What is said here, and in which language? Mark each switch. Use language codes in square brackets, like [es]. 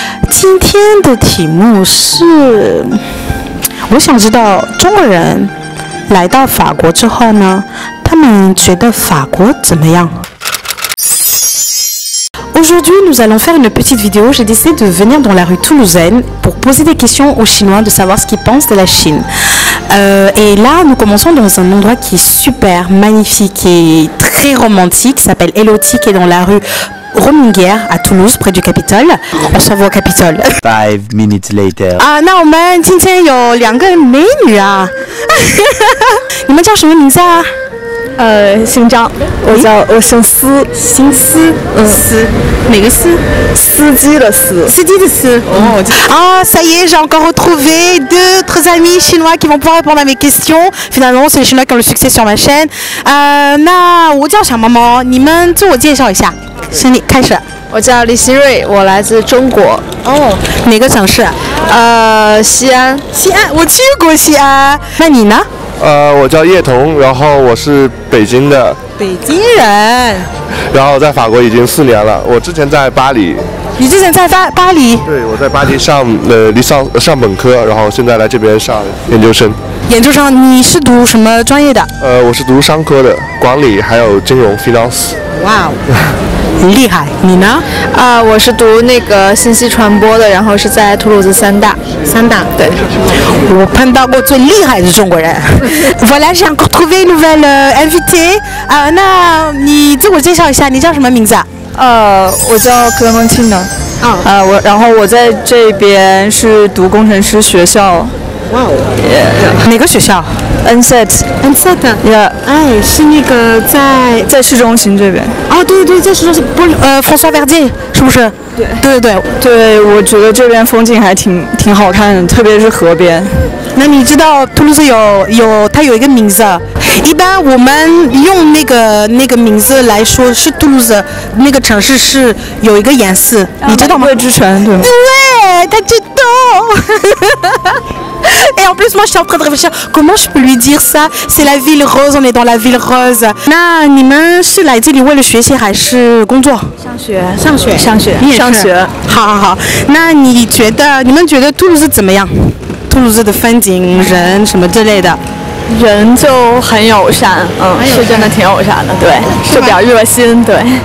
[zh] 今天的题目是，我想知道中国人来到法国之后呢，他们觉得法国怎么样？ [fr] Aujourd'hui, nous allons faire une petite vidéo. J'ai décidé de venir dans la rue Toulousaine pour poser des questions aux Chinois, de savoir ce qu'ils pensent de la Chine. Et là, nous commençons dans un endroit qui est super magnifique et très romantique, qui s'appelle Elotique, et dans la rue Rominguière à Toulouse, près du Capitole. On se voit au Capitole. [en] 5 minutes later. [zh] Ah, 那我们今天有两个美女啊！你们叫什么名字啊？姓张，我姓司，姓司，司，哪个司？司机的司，司机的司。 [fr] ça y est, j'ai encore retrouvé deux autres amis chinois qui vont pouvoir répondre à mes questions. Finalement, c'est les Chinois qui ont le succès sur ma chaîne. [zh] 那我叫小猫猫，你们自我介绍一下。先你开始。我叫李希瑞，我来自中国。哪个城市？西安。西安，我去过西安。那你呢？我叫叶童，然后我是北京的北京人，然后在法国已经4年了。我之前在巴黎。你之前在巴黎？对，我在巴黎上上本科，然后现在来这边上研究生。研究生，你是读什么专业的？我是读商科的，管理还有金融 finance。哇哦，厉害。你呢？我是读那个信息传播的，然后是在图鲁兹三大。对，我碰到过最厉害的中国人。 [fr] Voilà, j'ai encore trouvé une nouvelle invitée. [zh] 那你自我介绍一下，你叫什么名字？我叫克莱蒙钦的。然后我在这边是读工程师学校。哇哦，哪个学校？ NZ 的，是那个在市中心这边。对，在市中心，François Verdier 是不是？对，我觉得这边风景还挺好看的，特别是河边。那你知道图卢兹有它有一个名字，一般我们用那个名字来说，是图卢兹那个城市是有一个颜色，你知道吗？玫瑰之城，对吗？对，他知道。 [fr] Et en plus, moi, je suis en train de réfléchir. Comment je peux lui dire ça? C'est la ville rose, on est dans la ville rose. [zh] 那你们是来这里为了学习还是工作？上学。你也是？上学。好。那你们觉得图卢兹怎么样？图卢兹的风景、人什么之类的？人就很友善，是真的挺友善的，对，就比较热心，对。